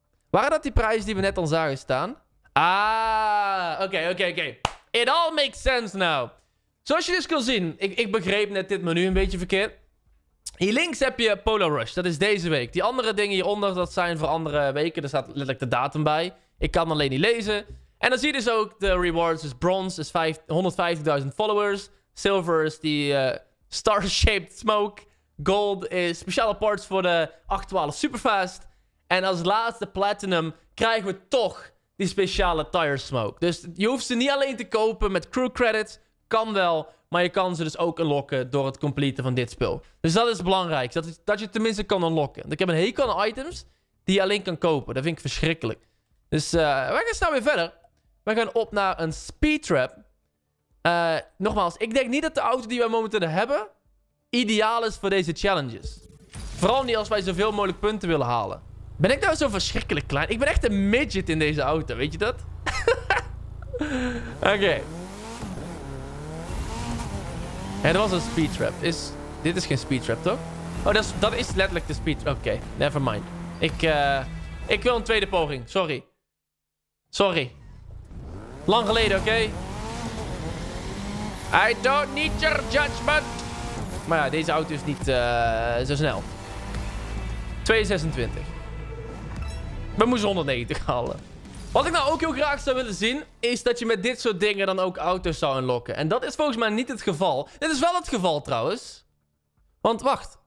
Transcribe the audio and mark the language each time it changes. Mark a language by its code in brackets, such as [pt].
[nl] Waren dat die prijzen die we net al zagen staan? Ah, oké. [en] It all makes sense now. [nl] Zoals je dus kan zien. Ik begreep net dit menu een beetje verkeerd. Hier links heb je Polar Rush. Dat is deze week. Die andere dingen hieronder, dat zijn voor andere weken. Daar staat letterlijk de datum bij. Ik kan alleen niet lezen. En dan zie je dus ook de rewards. Dus bronze is 150.000 followers. Silver is die star-shaped smoke. Gold is speciale parts voor de 812 superfast. En als laatste platinum krijgen we toch die speciale tire smoke. Dus je hoeft ze niet alleen te kopen met crew credits. Kan wel, maar je kan ze dus ook unlocken door het completen van dit spel. Dus dat is belangrijk, dat je tenminste kan unlocken. Want ik heb een hekel aan items die je alleen kan kopen. Dat vind ik verschrikkelijk. Dus we gaan snel weer verder. We gaan op naar een speedtrap. Nogmaals, ik denk niet dat de auto die we momenteel hebben ideaal is voor deze challenges. Vooral niet als wij zoveel mogelijk punten willen halen. Ben ik nou zo verschrikkelijk klein? Ik ben echt een midget in deze auto, weet je dat? Oké. Okay. Het was een speedtrap. Dit is geen speedtrap, toch? Oh, dat is letterlijk de speedtrap. Oké, never mind. Ik wil een tweede poging. Sorry. Lang geleden, oké? [en] Okay? I don't need your judgment. [nl] Maar ja, deze auto is niet zo snel. 226. We moesten 190 halen. Wat ik nou ook heel graag zou willen zien, is dat je met dit soort dingen dan ook auto's zou unlocken. En dat is volgens mij niet het geval. Dit is wel het geval trouwens. Want wacht.